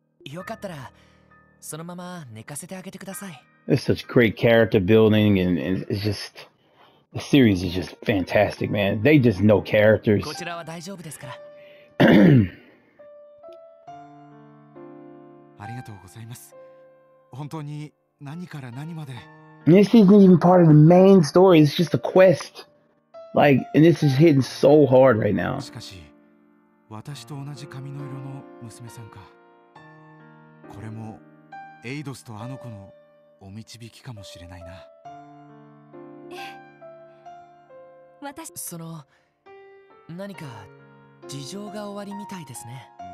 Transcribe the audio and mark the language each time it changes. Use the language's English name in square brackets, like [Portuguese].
[Japanese] よかったらそのまま寝かせてあげてください。 [English] It's such great character building, and it's just... The series is just fantastic, man. They just know characters. [Japanese] こちらは大丈夫ですから。ありがとうございます。本当に何から何まで。 [English] This isn't even part of the main story. It's just a quest. Like, and this is hitting so hard right now. [Japanese] しかし、私と同じ髪の色の娘さんか。これもエイドスとあの子のお導きかもしれないな。私、その、何か事情が終わりみたいですね。